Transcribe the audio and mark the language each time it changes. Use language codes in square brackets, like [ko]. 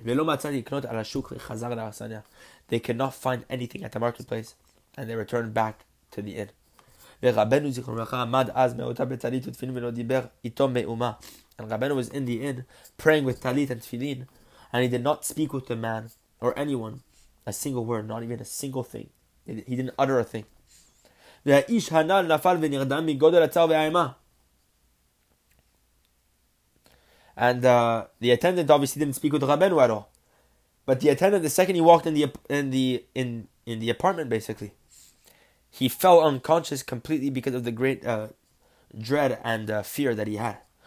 [en] They cannot find anything at the marketplace, and they returned back to the inn. And Rabbeinu was in the inn praying with talit and tefillin, and he did not speak with the man or anyone a single word, not even a single thing. He didn't utter a thing. [he] והאיש הנ"ל נפל ונרדם מגודל הצער והאימה. [en] And the attendant obviously didn't speak with Rabbeinu at all. But the attendant, the second he walked in the apartment, basically, he fell unconscious completely because of the great dread and fear that he had.